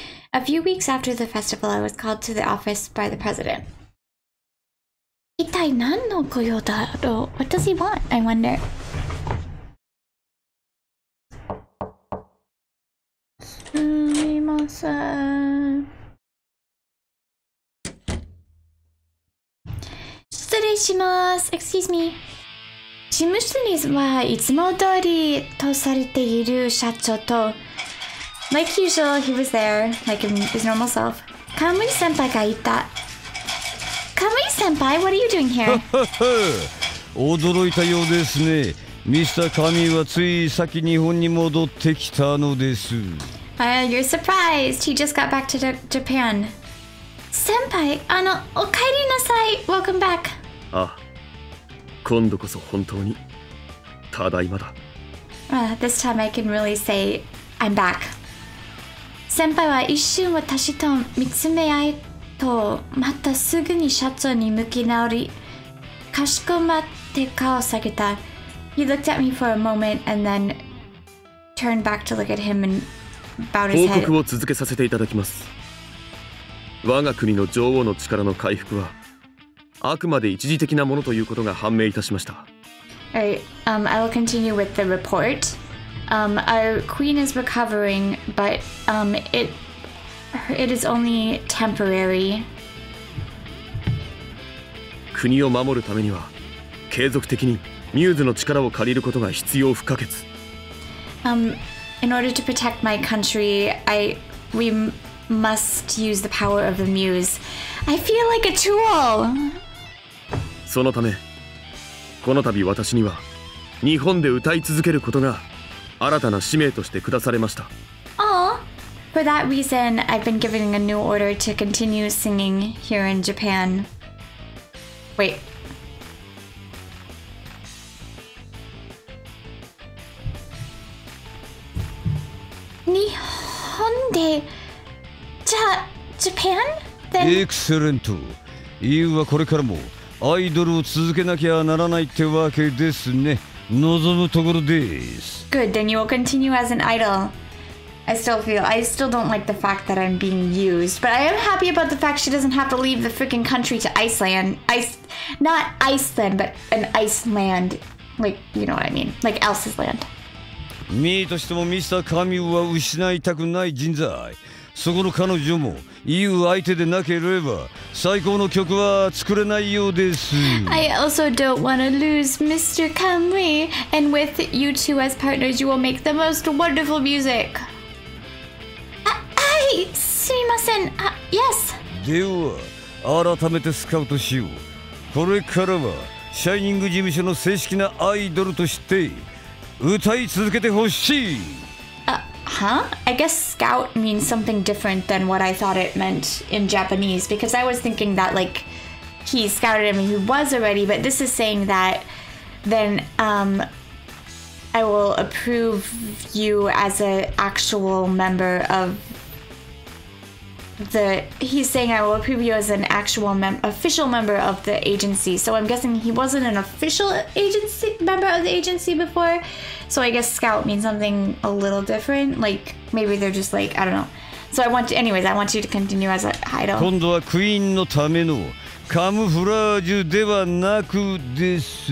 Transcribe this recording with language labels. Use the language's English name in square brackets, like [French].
[English] A few weeks after the festival, I was called to the office by the president. [Japanese] 一体何の御用だろう? [English] What does he want? I wonder. [Japanese] すみません。失礼します。 [English] Excuse me. [Japanese] 事務所にはいつも通りとされている社長と、 [English] Like usual, he was there, like his normal self. [Japanese] カムイ先輩がいた。カムイ先輩、 [English] What are you doing here? [Japanese] 驚いたようですね。ミスターカミューはつい先日本に戻ってきたのです。 [English] You're surprised. He just got back to Japan. [Japanese] 先輩、お帰りなさい。 [English] Welcome back. [Japanese] あ。今度こそ本当にただいまだ。 [English] This time I can really say I'm back. [Japanese] 先輩は一瞬私と見つめ合いと、またすぐに社長に向き直り、かしこまって顔を下げた。 [English] He looked at me for a moment and then turned back to look at him and bowed his head. [Japanese] 報告を続けさせていただきます。我が国の女王の力の回復は、あくまで一時的なものということが判明いたしました。 [English] Alright, I will continue with the report. Our queen is recovering, but it is only temporary. 国を守るためには、継続的にミューズの力を借りることが必要不可欠。 In order to protect my country, we must use the power of the muse. I feel like a tool. [Japanese] そのため、この度私には日本で歌い続けることが新たな使命として下されました。 [English] For that reason, I've been given a new order to continue singing here in Japan. Wait. [Japanese] Nihon de... [English] Japan? Then... Excellent. You are going to continue to be an idol until the end of the day. I hope to be here. Good, then you will continue as an idol. I still don't like the fact that I'm being used, but I am happy about the fact she doesn't have to leave the freaking country to Iceland. Not Iceland, but an Iceland. Like, you know what I mean? Like Elsa's land. [Japanese] Me としても Mr. Camus は失いたくない人材。そこの彼女も言う相手でなければ最高の曲は作れないようです。 [English] I also don't want to lose Mr. Camus, and with you two as partners, you will make the most wonderful music. [Japanese] すみません、 [English] Yes! [Japanese] では、改めてスカウトしよう。これからは、シャイニング事務所の正式なアイドルとして、歌い続けてほしい。 [English] I guess scout means something different than what I thought it meant in Japanese, because I was thinking that, like, he scouted him, he was already, but this is saying that, then, I will approve you as an actual member of. He's saying I will approve you as an actual official member of the agency. So I'm guessing he wasn't an official agency member of the agency before. So I guess scout means something a little different. Like maybe they're just like, I don't know. So I want you to continue as an idol. [Japanese] 今度はクイーンのためのカムフラージュではなくです。